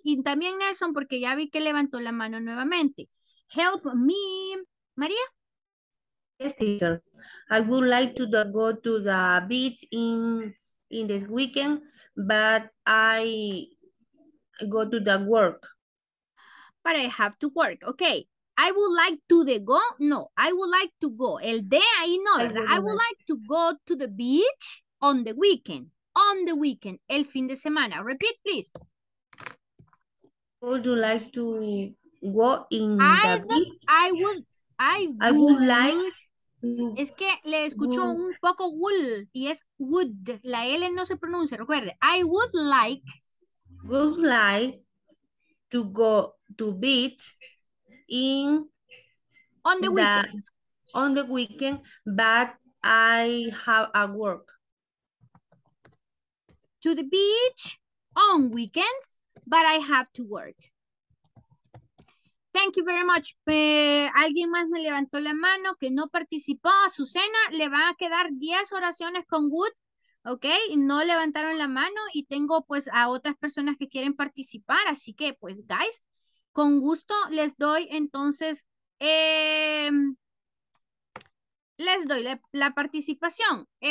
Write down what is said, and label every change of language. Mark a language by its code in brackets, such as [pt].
[es] Y también Nelson, porque ya vi que levantó la mano nuevamente. [en] Help me. María. Yes, teacher. I would like to go to the beach in this weekend, but I go to the work. But I have to work. Okay. I would like to the go. No, I would like to go. [es] El de ahí no, ¿verdad? [en] I would like to go to the beach on the weekend. On the weekend. [es] El fin de semana. [en] Repeat, please. Would you like to go in the beach? I would like. [es] Es que le escucho un poco wool y es would. La L no se pronuncia, recuerde. [en] I would like to go to beach in on the weekend, but I have a work. To the beach on weekends, but I have to work. Thank you very much. [es] Alguien más me levantó la mano que no participó. Azucena, le van a quedar 10 oraciones con would. Ok, no levantaron la mano y tengo pues a otras personas que quieren participar, así que pues guys, con gusto les doy entonces, les doy la participación.